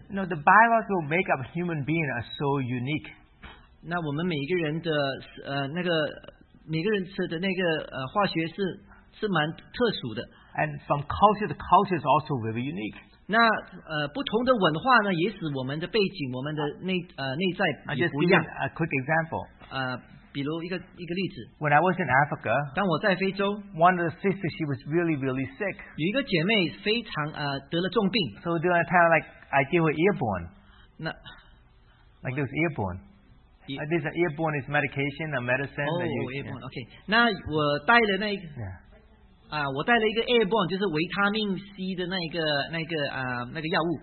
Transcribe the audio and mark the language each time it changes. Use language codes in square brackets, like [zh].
[en] No, the biological makeup of human beings are so unique. [zh] 那我们每个人的那个化学是蛮特殊的。 [en] And from culture to culture is also very unique. [zh] 那不同的文化呢，也使我们的背景、我们的内在也不一样。 [en] A quick example. [zh] 比如一个例子, [en] when I was in Africa, [zh] 当我在非洲, [en] one of the sisters, she was really, really sick. [zh] 有一个姐妹非常, 得了重病, [en] so during that time, like, I gave her airborne. Like this airborne. This airborne is medication, a medicine. Airborne, okay. [zh] 那我带了那个药物。